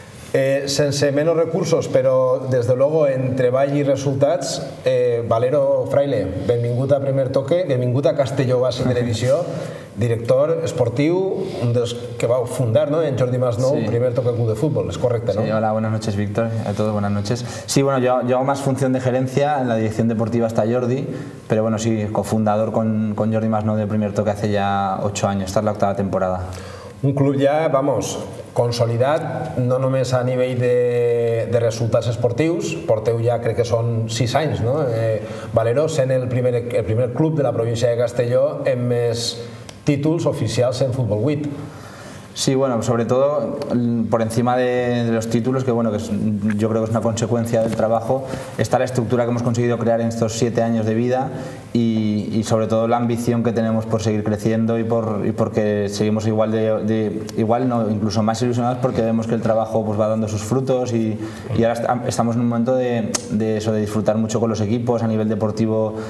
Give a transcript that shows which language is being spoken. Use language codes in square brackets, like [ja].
[ca] Sense menys recursos, però [es] des de luego [ca] en treball i resultats, Valero Fraile, benvingut a Primer Toque, benvingut a Castelló Base Televisió, director esportiu, un dels que vau fundar, no?, en Jordi Masnou, sí. Primer Toque Club de Futbol, és correcte, no? [es] Sí, hola, buenas noches, Víctor, a todos, buenas noches. Sí, bueno, yo hago más función de gerencia, en la dirección deportiva está Jordi, pero bueno, sí, cofundador con Jordi Masnou de Primer Toque hace ya 8 años, esta es la 8ª temporada. [ca] Un club ja, vamos, consolidat, no només a nivell de resultats esportius, porteu ja, crec que són 6 anys, no? Valero, sent el primer club de la província de Castelló amb més títols oficials en Futbol 8. [es] Sí, bueno, sobre todo por encima de los títulos, que bueno, que es, yo creo que es una consecuencia del trabajo, está la estructura que hemos conseguido crear en estos 7 años de vida y sobre todo la ambición que tenemos por seguir creciendo y porque seguimos igual de igual, no, incluso más ilusionados, porque vemos que el trabajo pues va dando sus frutos y ahora estamos en un momento de eso, de disfrutar mucho con los equipos a nivel deportivo.